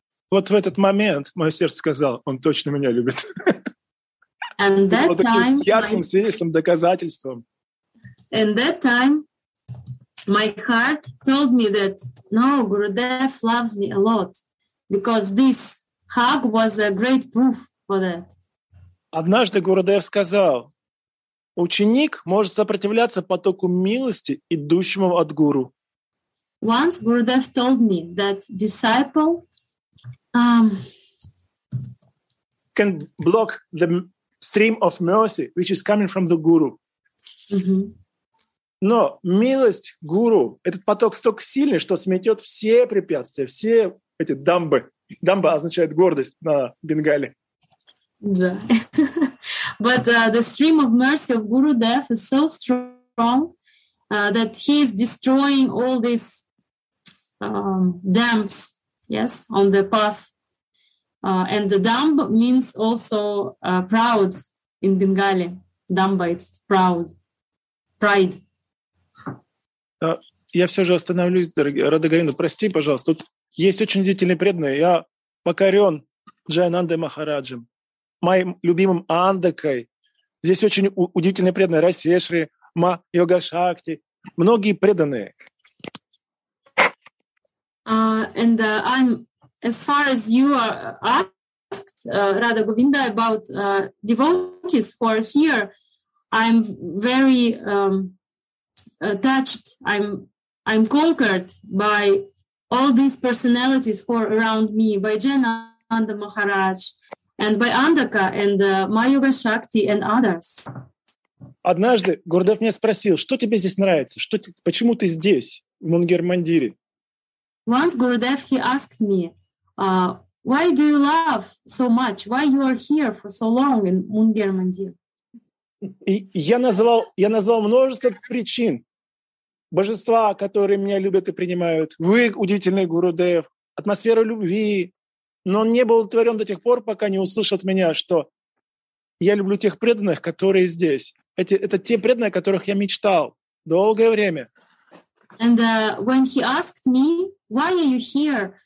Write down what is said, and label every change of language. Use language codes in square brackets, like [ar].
[ru] Вот в этот момент мое сердце сказал, он точно меня любит. [en] And that time... [ru] С ярким свидетельством, доказательством. [en] And that time my heart told me that, no, Gurudev loves me a lot, because this hug was a great proof for that. [ru] Однажды Гурудев сказал, ученик может сопротивляться потоку милости, идущему от гуру. [en] Once Gurudev told me that disciple can block the stream of mercy, which is coming from the guru. Mm-hmm. [ru] Но милость гуру, этот поток столько сильный, что сметет все препятствия, все эти дамбы. Дамба означает гордость на бенгали. Да. [en] But the stream of mercy of Gurudev is so strong that he is destroying all these dams, yes, on the path. And the damb means also proud in Bengali. Damba, it's proud. Pride. [ru] Я все же остановлюсь, дорогие Радагавинда, прости, пожалуйста. Тут есть очень удивительные преданные. Я покорен Джайанандой Махараджем, моим любимым Андакой. Здесь очень удивительные преданные Расешри, Ма Йога Шакти, многие преданные. [en] I'm, as far as you are asked, Radha Govinda, about devotees who are here, I'm very touched. I'm conquered by all these personalities who are around me, by Jayananda Maharaj, and by Andaka, and Mayuga Shakti, and others. [ru] Однажды Гурдев меня спросил, что тебе здесь нравится? Что, почему ты здесь, в Мунгер-Мандире? [en] Once Gurudev, he asked me, why do you love so much? Why you are here for so long in Мунгер-Мандир? [ru] Я назвал множество причин. Божества, которые меня любят и принимают. Вы, удивительный Гурудев. Атмосфера любви. Но он не был удовлетворен до тех пор, пока не услышал от меня, что я люблю тех преданных, которые здесь. Это те преданные, о которых я мечтал долгое время. [en] And when he asked me, why are you here?